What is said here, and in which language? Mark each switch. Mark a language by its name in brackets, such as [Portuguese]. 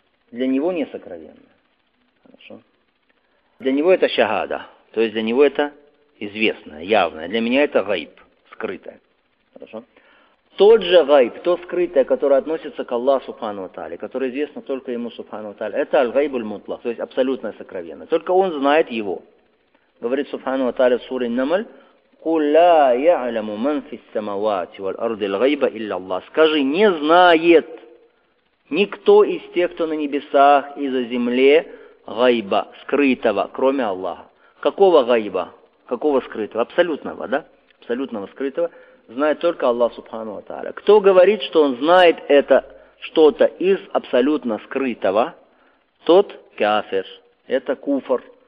[Russian] Для него не сокровенное. Хорошо? Для него это шахада. То есть для него это известное, явное. Для меня это гайб, скрытое. Хорошо? Тот же гайб, то скрытое, которое относится к Аллаху Субхану ва Та'аля, которое известно только ему Субхану ва Та'аля, это аль-гайбуль мутлах, то есть абсолютное сокровенное. Только он знает его. Говорит Субхану ва Та'аля в суре Намль: [Arabic] قُلْ لَا يَعْلَمُ مَنْ فِي السَّمَوَاتِ وَالْأَرْضِ الْغَيْبَ إِلَّا اللَّهِ. [Russian] Скажи: не знает никто из тех, кто на небесах и за земле, гайба, скрытого, кроме Аллаха. Какого гайба? Какого скрытого? Абсолютного, да? Абсолютного скрытого знает только Аллах Субхану ва Та'аля. Кто говорит, что он знает это что-то из абсолютно скрытого, тот кафир, это куфр.